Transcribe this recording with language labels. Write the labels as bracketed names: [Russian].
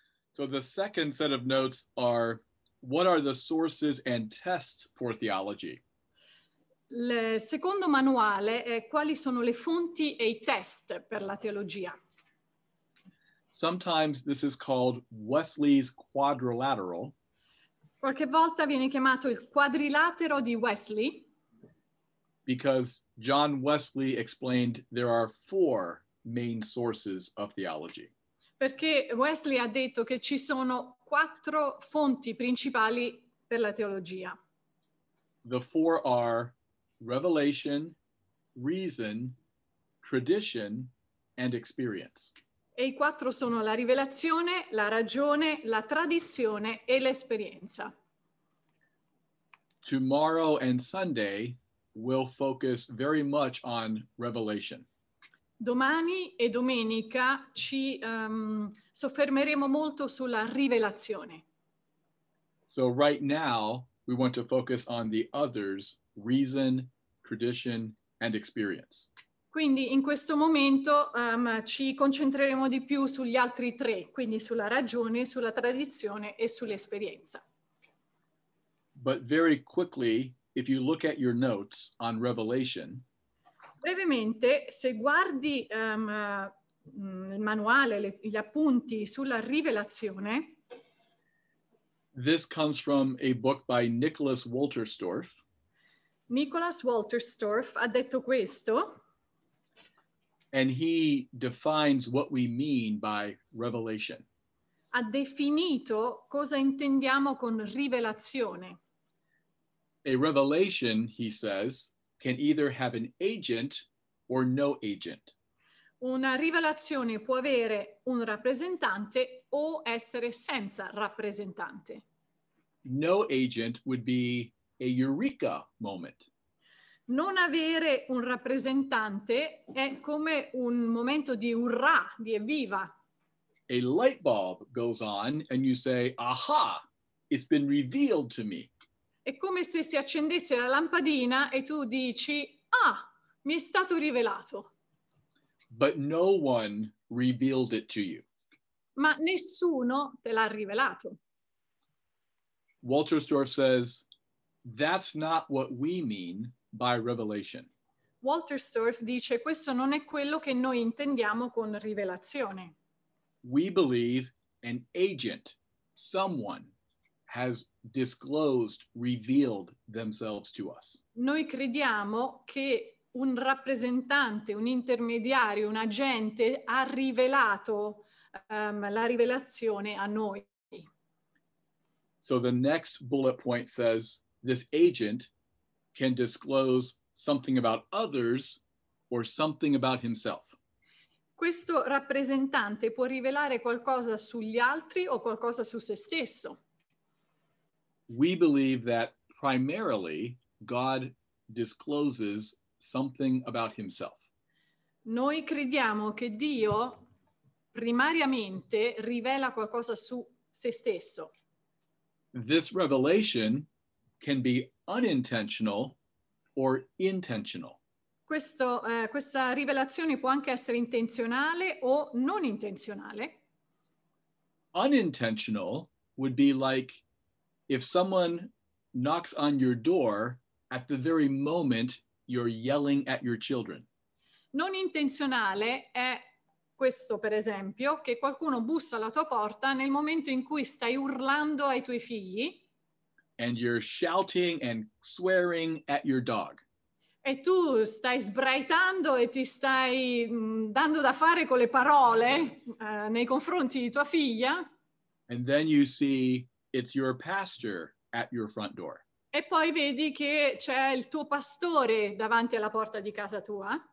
[English] So the second set of notes are, what are the sources and tests for theology? [Italian] Il secondo manuale è quali sono le fonti e i test per la teologia. [English] Sometimes this is called Wesley's quadrilateral. [Italian] Qualche volta viene chiamato il quadrilatero di Wesley. [English] Because John Wesley explained there are four main sources of theology. [Italian] Perché Wesley ha detto che ci sono quattro fonti principali per la teologia. [English] The four are revelation, reason, tradition, and experience. [Italian] E i quattro sono la rivelazione, la ragione, la tradizione e l'esperienza. [English] Tomorrow and Sunday will focus very much on revelation. [Italian] Domani e domenica ci soffermeremo molto sulla rivelazione. [English] So right now we want to focus on the others, reason, tradition, and experience. [Italian] Quindi in questo momento ci concentreremo di più sugli altri tre, quindi sulla ragione, sulla tradizione e sull'esperienza. [English] But very quickly, if you look at your notes on Revelation, [Italian] brevemente, se guardi il manuale, gli appunti sulla rivelazione, [English] this comes from a book by Nicholas Walterstorff. [Italian] Nicholas Walterstorff ha detto questo. [English] And he defines what we mean by revelation. [Italian] Ha definito cosa intendiamo con rivelazione. [English] A revelation, he says, can either have an agent or no agent. [Italian] Una rivelazione può avere un rappresentante o essere senza rappresentante. [English] No agent would be a eureka moment. [Italian] Non avere un rappresentante è come un momento di urrà, di evviva. [English] A light bulb goes on and you say, aha, it's been revealed to me. [Italian] È come se si accendesse la lampadina e tu dici, ah, mi è stato rivelato. [English] But no one revealed it to you. [Italian] Ma nessuno te l'ha rivelato. [English] Walterstorff says, that's not what we mean by revelation. [Italian] Walterstorff dice, questo non è quello che noi intendiamo con rivelazione. [English] We believe an agent, someone, has disclosed, revealed themselves to us. [Italian] Noi crediamo che un rappresentante, un intermediario, un agente ha rivelato la rivelazione a noi. [English] So the next bullet point says this agent can disclose something about others or something about himself. [Italian] Questo rappresentante può rivelare qualcosa sugli altri o qualcosa su se stesso. [English] We believe that primarily God discloses something about himself. [Italian] Noi crediamo che Dio primariamente rivela qualcosa su se stesso. [English] This revelation can be unintentional or intentional. [Italian] Questa rivelazione può anche essere intenzionale o non intenzionale. [English] Unintentional would be like if someone knocks on your door at the very moment you're yelling at your children. [Italian] Non intenzionale è questo, per esempio, che qualcuno bussa alla tua porta nel momento in cui stai urlando ai tuoi figli. [English] And you're shouting and swearing at your dog. [Italian] E tu stai sbraitando e ti stai dando da fare con le parole nei confronti di tua figlia. [English] And then you see it's your pastor at your front door. [Italian] E poi vedi che c'è il tuo pastore davanti alla porta di casa tua.